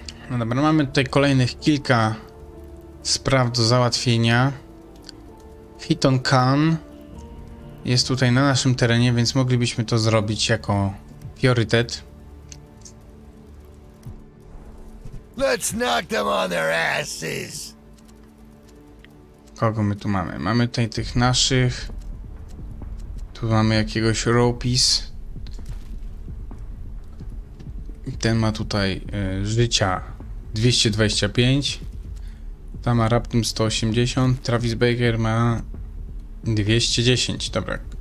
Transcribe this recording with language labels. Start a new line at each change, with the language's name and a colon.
Polish: No dobra, mamy tutaj kolejnych kilka spraw do załatwienia. Hit on Khan jest tutaj na naszym terenie, więc moglibyśmy to zrobić jako priorytet.
English: Let's knock them on their asses.
Polish: Kogo my tu mamy? Mamy tutaj tych naszych. Tu mamy jakiegoś ropis. Ten ma tutaj życia 225. Ta ma raptem 180. Travis Baker ma 210. Dobra.